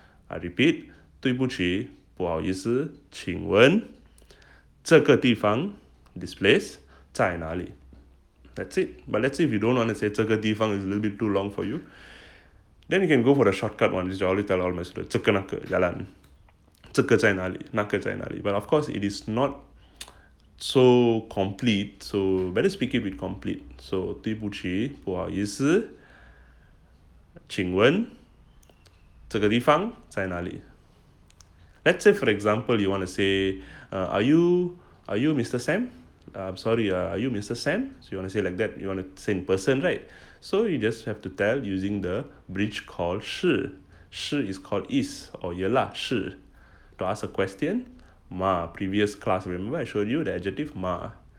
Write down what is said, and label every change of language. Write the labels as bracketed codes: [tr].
[en] I repeat, [zh] 对不起, 不好意思, 请问, 这个地方, [en] this place, [zh] 在哪里? [en] That's it. But let's say if you don't want to say [zh] 这个地方 [en] is a little bit too long for you, then you can go for the shortcut one, which I always tell all my students, [zh] 这个那个, 这个, 这个在哪里, 那个在哪里. [en] But of course, it is not so complete, so better speak it with complete. [zh] So, 对不起, 不好意思, 请问, 这个地方在哪里? [en] Let's say, for example, you want to say, are you Mr. Sam? I'm sorry, are you Mr. Sam? So, you want to say like that, you want to say in person, right? So, you just have to tell using the bridge called 是. 是 is called is, or 也啦, 是.To ask a question, ma, previous class, remember I showed you the adjective ma.